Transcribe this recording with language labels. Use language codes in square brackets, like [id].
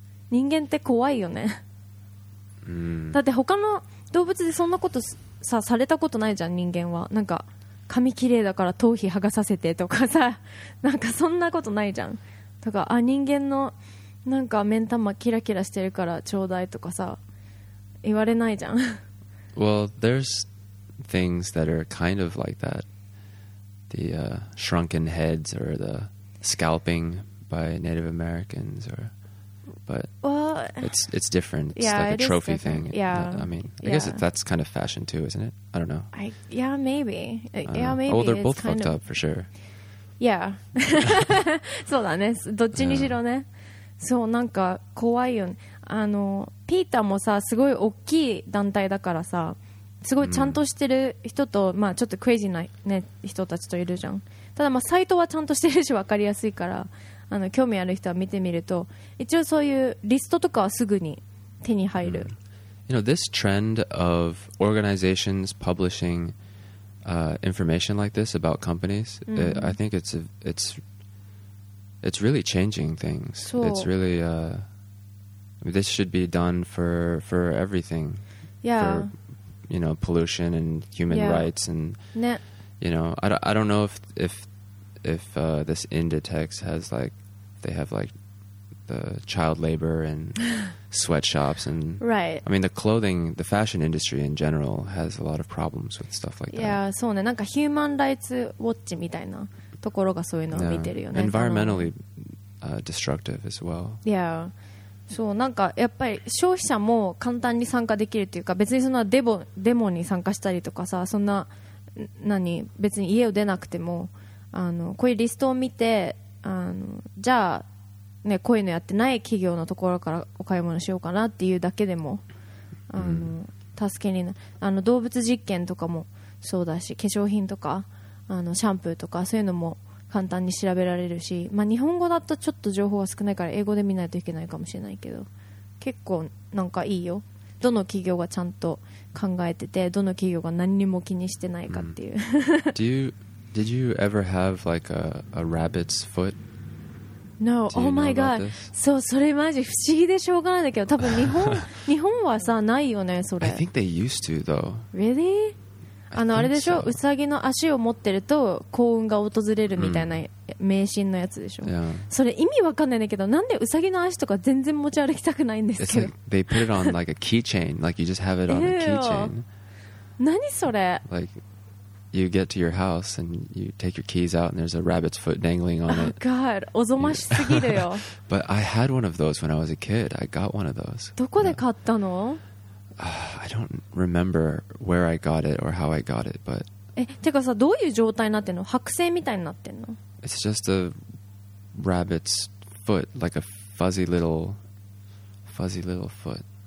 [ja] 人間って怖いよね。だって他の動物でそんなことさされたことないじゃん、人間は。なんか髪綺麗だから頭皮剥がさせてとかさ、なんかそんなことないじゃん。とかあ人間のなんか目ん玉キラキラしてるからちょうだいとかさ言われないじゃん。 [en] Well, there's things that are kind of like that. The、shrunken heads or the scalping by Native Americans or... But well, it's different. It's yeah, like a trophy thing. Yeah. I mean, I guess that's kind of fashion too, isn't it? I don't know. Yeah, maybe. Oh, they're both fucked up for sure. Yeah. [ja] そうだね。どっちにしろね。そう、なんか怖いよね。あの、ピーターもさ、すごい大きい団体だからさ、すごいちゃんとしてる人と、まあちょっとクレイジーな、ね、人たちといるじゃん。ただまあサイトはちゃんとしてるし分かりやすいから、あの興味ある人は見てみると一応そういうリストとかはすぐに手に入る、 [en] You know, this trend of organizations publishing、information like this about companies、I think it's really changing things. It's really、this should be done for everything、 yeah. for you know, pollution and human、yeah. rights and、ね、 you know, I don't know if、this Inditex has likeThey have like the child labor and sweatshops and right. I mean the clothing, the fashion industry in general has a lot of problems with stuff like that. [ja] Yeah, そうね。なんかヒューマンライツウォッチみたいなところがそういうのを見てるよね。 [en] Environmentally destructive as well. [ja] Yeah, そう、なんかやっぱり消費者も簡単に参加できるというか、別にそんなデモに参加したりとかさ、そんな何別に家を出なくても、あのこういうリストを見て。あのじゃあ、ね、こういうのやってない企業のところからお買い物しようかなっていうだけでもあの、うん、助けになる。あの動物実験とかもそうだし、化粧品とかあのシャンプーとかそういうのも簡単に調べられるし、まあ、日本語だとちょっと情報が少ないから英語で見ないといけないかもしれないけど、結構なんかいいよ。どの企業がちゃんと考えてて、どの企業が何にも気にしてないかっていう、 [en] うん、Do youDid you ever have like a rabbit's foot? No. Oh my god. [ja] So, それマジ不思議でしょうがないんだけど、多分日本はさないよねそれ。 [en] I think they used to though. Really? [ja] あのあれでしょ、ウサギの足を持ってると幸運が訪れるみたいな迷信のやつでしょ。 [en] Yeah. [ja] それ意味わかんないんだけど、なんでウサギの足とか全然持ち歩きたくないんですけど。 [en] It's like they put it on like a keychain. Like you just have it on a keychain. [ja] 何それ。 [en] Like,You get to your house and you take your keys out and there's a rabbit's foot dangling on it. Oh God, [ja] おぞましすぎるよ。 [en] But I had one of those when I was a kid. I got one of those. [ja] どこで買ったの? [en] I don't remember where I got it or how I got it, but... [ja] てかさ、どういう状態になってんの?剥製みたいになってんの? [en] It's just a rabbit's foot, like a fuzzy little foot.